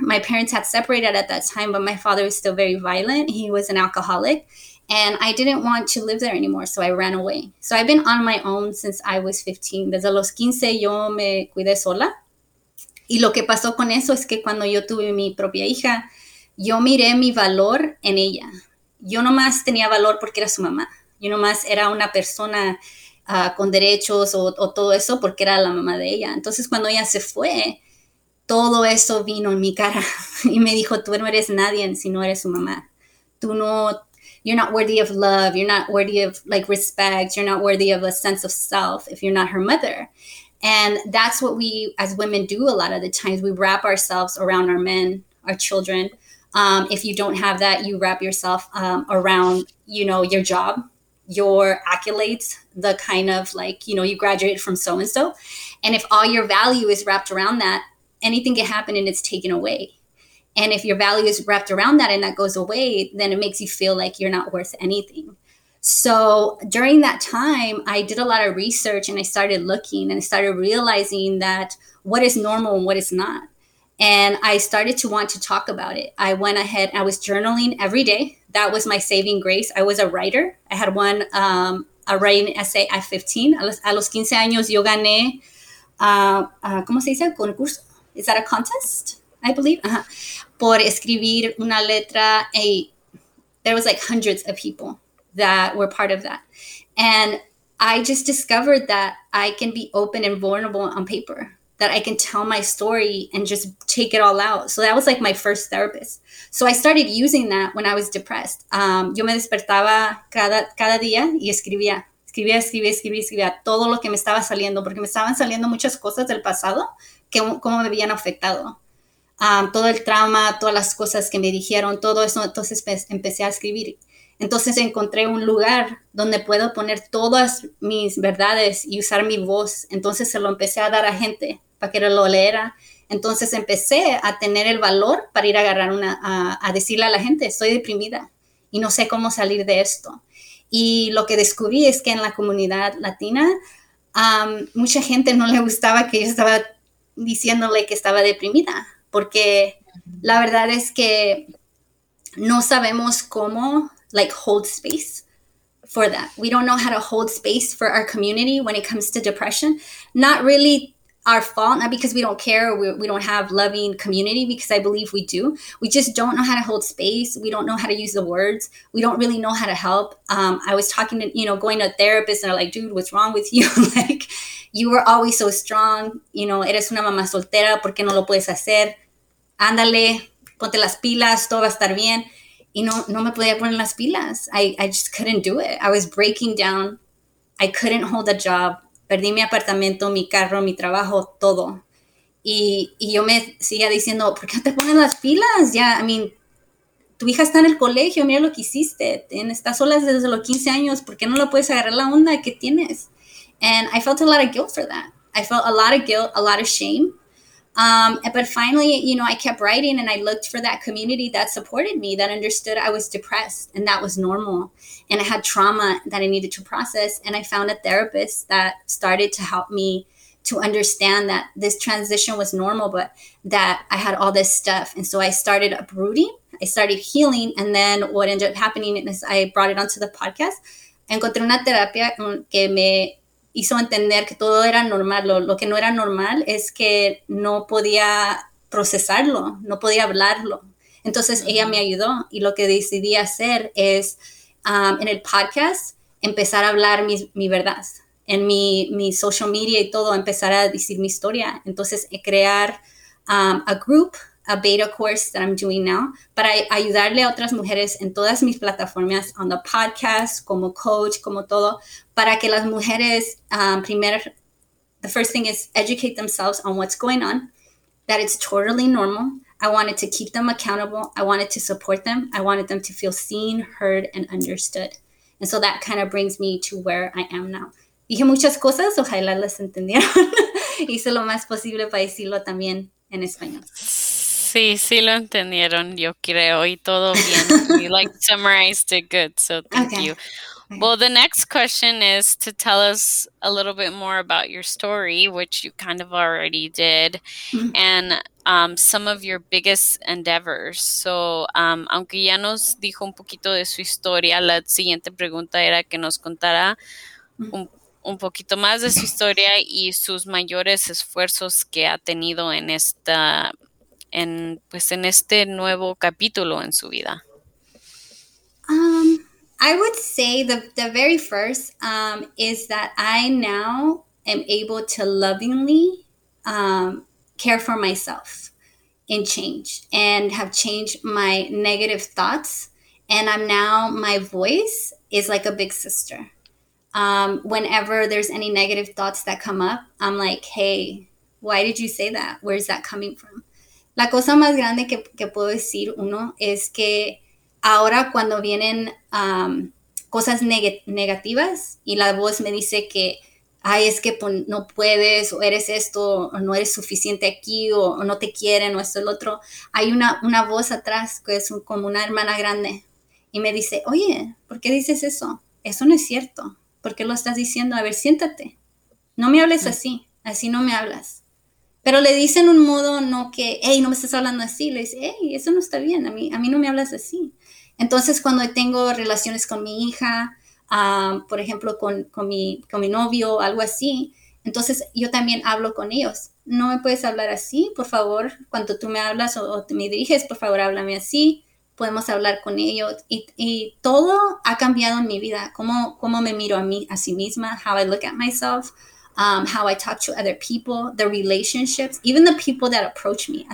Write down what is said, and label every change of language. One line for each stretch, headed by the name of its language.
English: My parents had separated at that time, but my father was still very violent. He was an alcoholic and I didn't want to live there anymore. So I ran away. So I've been on my own since I was 15.
Spanish: Desde los 15 yo me cuidé sola. Y lo que pasó con eso es que cuando yo tuve mi propia hija, yo miré mi valor en ella. Yo nomás tenía valor porque era su mamá. Yo nomás era una persona con derechos o todo eso porque era la mamá de ella. Entonces cuando ella se fue, todo eso vino en mi cara y me dijo, tú no eres nadie si no eres su mamá. Tú no,
English: you're not worthy of love, you're not worthy of like respect, you're not worthy of a sense of self if you're not her mother. And that's what we as women do a lot of the times. We wrap ourselves around our men, our children. If you don't have that, you wrap yourself around, you know, your job, your accolades, the kind of like, you know, you graduated from so-and-so. And if all your value is wrapped around that, anything can happen and it's taken away. And if your value is wrapped around that and that goes away, then it makes you feel like you're not worth anything. So during that time, I did a lot of research and I started looking and I started realizing that what is normal and what is not. And I started to want to talk about it. I went ahead, I was journaling every day. That was my saving grace. I was a writer. I had won a writing essay at 15.
Spanish: A los 15 años yo gané, ¿cómo se dice? Concurso.
English: Is that a contest, I believe? Uh-huh.
Spanish: Por escribir una letra,
English: there was like hundreds of people that were part of that. And I just discovered that I can be open and vulnerable on paper, that I can tell my story and just take it all out. So that was like my first therapist. So I started using that when I was depressed.
Spanish: Yo me despertaba cada día y escribía. Escribía todo lo que me estaba saliendo, porque me estaban saliendo muchas cosas del pasado que cómo me habían afectado. Todo el trauma, todas las cosas que me dijeron, todo eso, entonces empecé a escribir. Entonces encontré un lugar donde puedo poner todas mis verdades y usar mi voz. Entonces se lo empecé a dar a gente para que lo leera. Entonces empecé a tener el valor para ir a agarrar una, a decirle a la gente, estoy deprimida y no sé cómo salir de esto. Y lo que descubrí es que en la comunidad latina, mucha gente no le gustaba que yo estaba diciéndole que estaba deprimida, porque la verdad es que no sabemos cómo,
English: like, hold space for that. We don't know how to hold space for our community when it comes to depression. Not really our fault, not because we don't care, we don't have loving community, because I believe we do. We just don't know how to hold space. We don't know how to use the words. We don't really know how to help. I was talking to, you know, going to a therapist and they're like, dude, what's wrong with you? Like, you were always so strong. You know,
Spanish: eres una mamá soltera, ¿por qué no lo puedes hacer? Ándale, ponte las pilas, todo va a estar bien. Y no me podía poner las pilas.
English: I just couldn't do it. I was breaking down. I couldn't hold a job.
Spanish: Perdí mi apartamento, mi carro, mi trabajo, todo. Y yo me seguía diciendo, ¿por qué no te pones las pilas? Ya,
English: I mean,
Spanish: tu hija está en el colegio, mira lo que hiciste. Estás sola desde los 15 años, ¿por qué no la puedes agarrar la onda que tienes?
English: And I felt a lot of guilt for that. I felt a lot of guilt, a lot of shame. But finally, you know, I kept writing and I looked for that community that supported me, that understood I was depressed and that was normal. And I had trauma that I needed to process. And I found a therapist that started to help me to understand that this transition was normal, but that I had all this stuff. And so I started uprooting, I started healing. And then what ended up happening is I brought it onto the podcast.
Spanish: Encontré una terapia que me hizo entender que todo era normal. Lo que no era normal es que no podía procesarlo, no podía hablarlo. Entonces mm-hmm. ella me ayudó y lo que decidí hacer es en el podcast empezar a hablar mi verdad. En mi social media y todo, empezar a decir mi historia. Entonces, crear
English: a group, a beta course that I'm doing now,
Spanish: para ayudarle a otras mujeres en todas mis plataformas,
English: on the podcast,
Spanish: como coach, como todo, para que las mujeres,
English: the first thing is educate themselves on what's going on, that it's totally normal. I wanted to keep them accountable. I wanted to support them. I wanted them to feel seen, heard, and understood. And so that kind of brings me to where I am now.
Spanish: Dije muchas cosas, ojalá las entendieron. Hice lo más posible para decirlo también en español. Sí, sí lo entendieron, yo creo, y todo bien.
English: You like summarized it good, so thank okay. you. Well, the next question is to tell us a little bit more about your story, which you kind of already did, mm-hmm. and some of your biggest endeavors.
Spanish: So, aunque ya nos dijo un poquito de su historia, la siguiente pregunta era que nos contara un poquito más de su historia y sus mayores esfuerzos que ha tenido en este nuevo capítulo en su vida.
English: I would say the very first is that I now am able to lovingly care for myself and change and have changed my negative thoughts. And I'm now, my voice is like a big sister. Whenever there's any negative thoughts that come up, I'm like, hey, why did you say that? Where is that coming from?
Spanish: La cosa más grande que puedo decir uno es que ahora cuando vienen cosas negativas y la voz me dice que, ay, es que no puedes, o eres esto, o no eres suficiente aquí, o no te quieren, o esto, el otro, hay una voz atrás que es como una hermana grande y me dice, oye, ¿por qué dices eso? Eso no es cierto. ¿Por qué lo estás diciendo? A ver, siéntate. No me hables así. Así no me hablas. Pero le dicen un modo no que, hey, no me estás hablando así. Le dice, hey, eso no está bien. A mí no me hablas así. Entonces, cuando tengo relaciones con mi hija, por ejemplo, con mi novio, algo así, entonces yo también hablo con ellos. No me puedes hablar así, por favor. Cuando tú me hablas o te me diriges, por favor, háblame así. Podemos hablar con ellos y todo ha cambiado en mi vida. Cómo me miro a mí, a sí misma,
English: how I look at myself, how I talk to other people, the relationships, even the people that approach me.